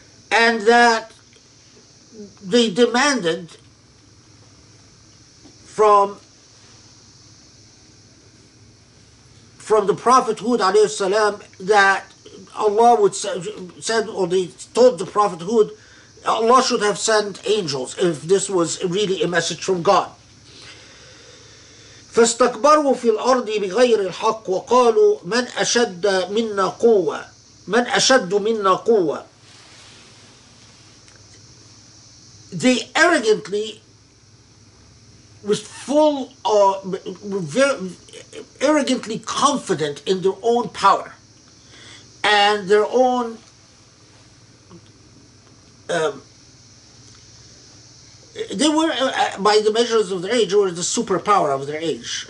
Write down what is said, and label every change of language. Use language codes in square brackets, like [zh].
[en] and that they demanded from the Prophethood alayhi salam that Allah would send, or they told the Prophethood Allah should have sent angels if this was really a message from God. [ar] فاستكبروا في الأرض بغير الحق وقالوا من أشد منا قوة من أشد منا قوة. [en] They arrogantly, with full, very arrogantly confident in their own power and their own they were, by the measures of their age, were the superpower of their age.